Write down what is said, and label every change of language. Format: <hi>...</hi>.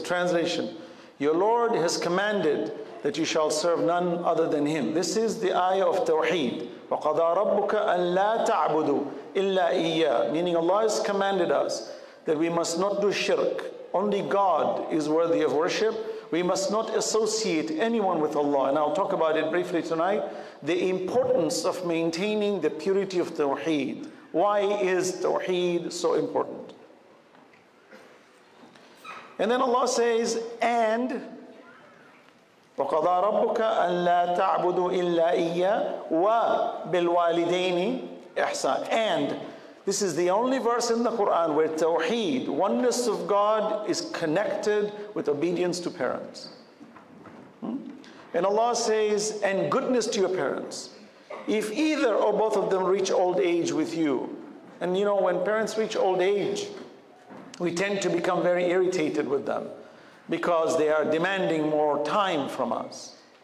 <en>Translation, your Lord has commanded that you shall serve none other than Him. This is the ayah of Tawheed.</en> <ar>وَقَضَى رَبُّكَ أَن لَا تَعْبُدُوا إِلَّا إِيَّا.</ar> <en>Meaning Allah has commanded us that we must not do shirk. Only God is worthy of worship. We must not associate anyone with Allah. And I'll talk about it briefly tonight. The importance of maintaining the purity of Tawheed. Why is Tawheed so important? And then Allah says, and</en> <ar>وَقَضَى رَبُّكَ أَن لَا تَعْبُدُوا إِلَّا إِيَّا وَبِالْوَالِدَيْنِ إِحْسَانًا.</ar> <en>And this is the only verse in the Quran where Tawheed, oneness of God, is connected with obedience to parents. And Allah says, and goodness to your parents. If either or both of them reach old age with you. And you know, when parents reach old age, we tend to become very irritated with them, because they are demanding more time from us.</en>